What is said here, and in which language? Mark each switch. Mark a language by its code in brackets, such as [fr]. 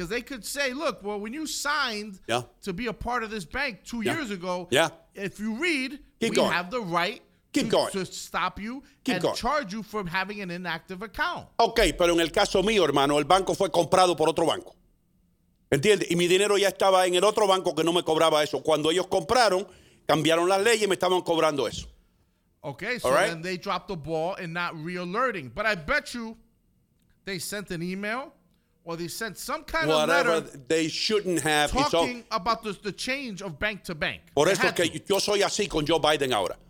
[en] Because they could say, look, well, when you signed to be a part of this bank two years ago, if you read, have the right to stop you charge you from having an inactive account. [es] Okay, pero en el caso mío, hermano, el banco fue comprado por otro banco. ¿Entiendes? Y mi dinero ya estaba en el otro banco que no me cobraba eso. Cuando ellos compraron, cambiaron las leyes y me estaban cobrando eso. [en] Okay, so then they dropped the ball in not re-alerting. But I bet you they sent an email or they sent some kind of letter. Whatever they shouldn't have. Talking about the change of bank to bank. [es] Por eso que yo soy así con Joe Biden ahora.